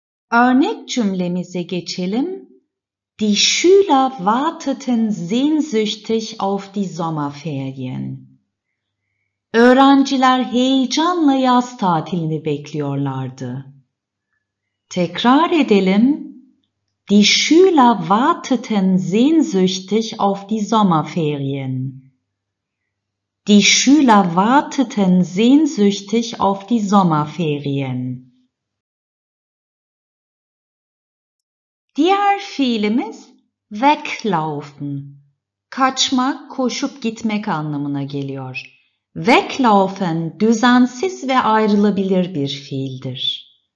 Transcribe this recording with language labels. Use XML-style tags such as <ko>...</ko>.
<tr>Örnek cümlemize geçelim.</tr> <de>Die Schüler warteten sehnsüchtig auf die Sommerferien.</de> <tr>Öğrenciler heyecanla yaz tatilini bekliyorlardı. Tekrar edelim.</tr> <de>Die Schüler warteten sehnsüchtig auf die Sommerferien. Die Schüler warteten sehnsüchtig auf die Sommerferien.</de> <tr>Diğer fiilimiz weglaufen. Kaçmak, koşup gitmek anlamına geliyor. Weglaufen düzensiz ve ayrılabilir bir fiildir.</tr>